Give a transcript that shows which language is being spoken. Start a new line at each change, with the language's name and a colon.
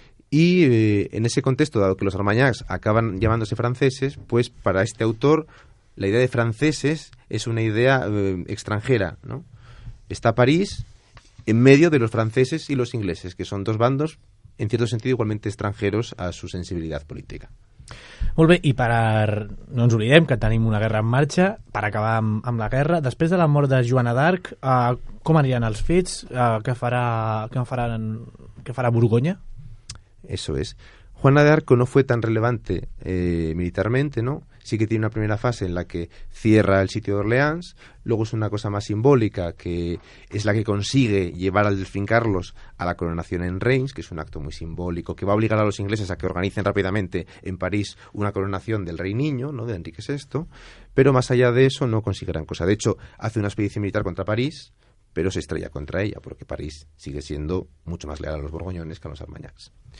Spanish: Y en ese contexto, dado que los Armagnacs acaban llamándose franceses, pues para este autor la idea de franceses es una idea extranjera, ¿no? Está París en medio de los franceses y los ingleses, que son dos bandos, en cierto sentido, igualmente extranjeros a su sensibilidad política.
Catalan: Molt bé, i per... no ens oblidem que tenim una guerra en marxa, per acabar amb la guerra. Després de la mort de Joana d'Arc, com anirien els fets? Què farà Borgonya?
Spanish: Eso es. Juana de Arco no fue tan relevante militarmente, ¿no? Sí que tiene una primera fase en la que cierra el sitio de Orleans, luego es una cosa más simbólica, que es la que consigue llevar al delfín Carlos a la coronación en Reims, que es un acto muy simbólico, que va a obligar a los ingleses a que organicen rápidamente en París una coronación del rey niño, ¿no?, de Enrique VI, pero más allá de eso no consigue gran cosa. De hecho, hace una expedición militar contra París, pero se estrella contra ella, porque París sigue siendo mucho más leal a los borgoñones que a los armagnacs.